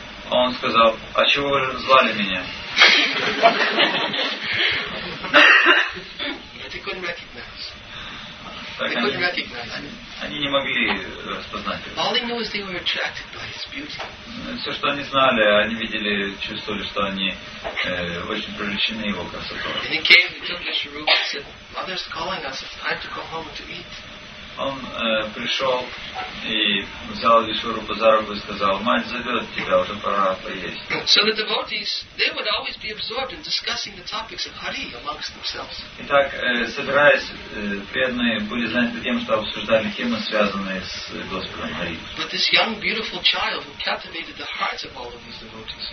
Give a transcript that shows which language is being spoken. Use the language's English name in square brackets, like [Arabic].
[Russian] Он сказал, а чего вы звали меня? [English] But he couldn't recognize. They couldn't recognize him. [Russian] Они не могли распознать его. [English] All they knew is they were attracted by his beauty. [Russian] Все, что они знали, они видели, чувствовали, что они очень привлечены его красотой. [English] And he came, he took the shuruk and said, "Mother's calling us. It's time to go home to eat." [Russian] Он пришел и взял Вишурупу за руку и сказал, мать зовет тебя, уже пора поесть. [English] So the devotees, they would always be absorbed in discussing the topics of Hari amongst themselves. [Russian] Итак, собираясь, преданные были заняты тем, что обсуждали темы, связанные с Господом Хари. [English] But this young, beautiful child who captivated the hearts of all of these devotees.